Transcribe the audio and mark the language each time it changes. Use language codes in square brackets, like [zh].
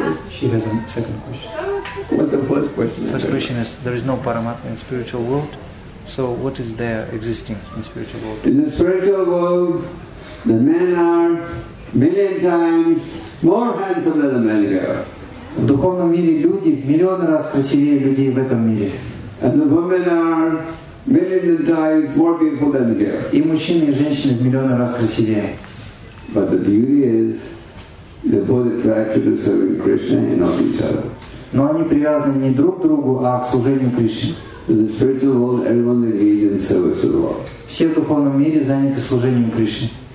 [en] She has a second question. What the first question? First question is, there is no Paramatma in spiritual world, so what is there existing in spiritual world? In the spiritual world, the men are million times more handsome than the men are. [ru] В духовном мире люди миллион раз красивее людей в этом мире. [en] And the women are million times more beautiful than the girl. [ru] И мужчины и женщины в миллион раз красивее. [en] But the beauty is they're both attracted to serving Krishna and not each other. [ru] Но они привязаны не друг к другу, а к служению Кришне. [en] In the spiritual world, everyone is engaged in service of the Lord. [ru] Все в духовном мире заняты служением Кришне.